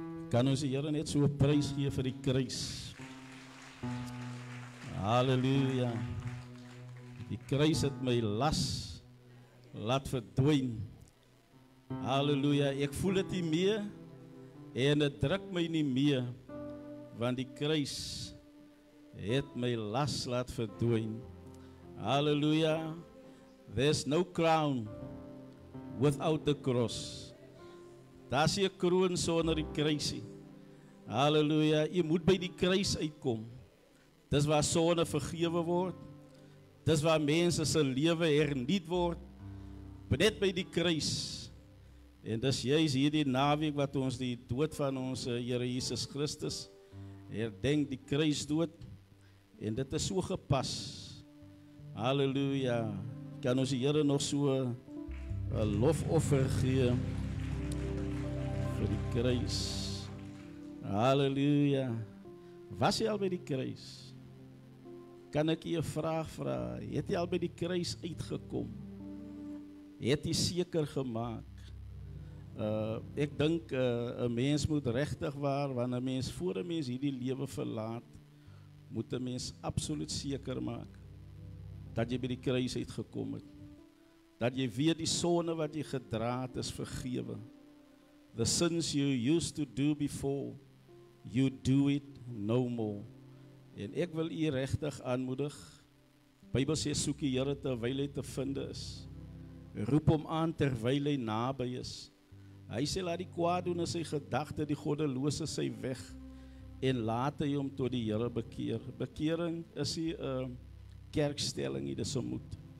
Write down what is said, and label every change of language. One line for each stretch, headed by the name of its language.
Afrikaans: Kan ons die Here net so prys gee vir die kruis? Halleluja. Die kruis het my las laat verdwyn. Halleluja. Ek voel dit nie meer en dit druk my nie meer, want die kruis het my las laat verdwyn. Halleluja.
English: There's no crown without the cross.
Afrikaans: Daar is een kroon sonder die kruisie. Halleluja, jy moet by die kruis uitkom. Dis waar sonde vergewe word. Dis waar mense se lewe herniet word. Net by die kruis. En dis juist hierdie naweek wat ons die dood van ons Here Jesus Christus herdenk, die kruis dood. En dit is so gepas. Halleluja, kan ons die Here nog so een lofoffer gee by die kruis. Halleluja. Was jy al by die kruis? Kan ek jy 'n vraag vra? Het jy al by die kruis uitgekom? Het jy seker gemaak? Ek dink, een mens moet regtig waar, want een mens, voor een mens hierdie lewe verlaat, moet een mens absoluut seker maak, dat jy by die kruis uitgekom het. Dat jy weet die sonde wat jy gedra het is vergewe.
English: The sins you used to do before, you do it no more.
Afrikaans: En ek wil u regtig aanmoedig. Bybel sê, soek die Here terwyl hy te vind is. Roep hom aan terwyl hy naby is. Hy sê, laat die kwaaddoener sy gedagte, die goddelose sy weg. En laat hy hom tot die Here bekeer. Bekering is die kerkstelling, dit is ontmoet.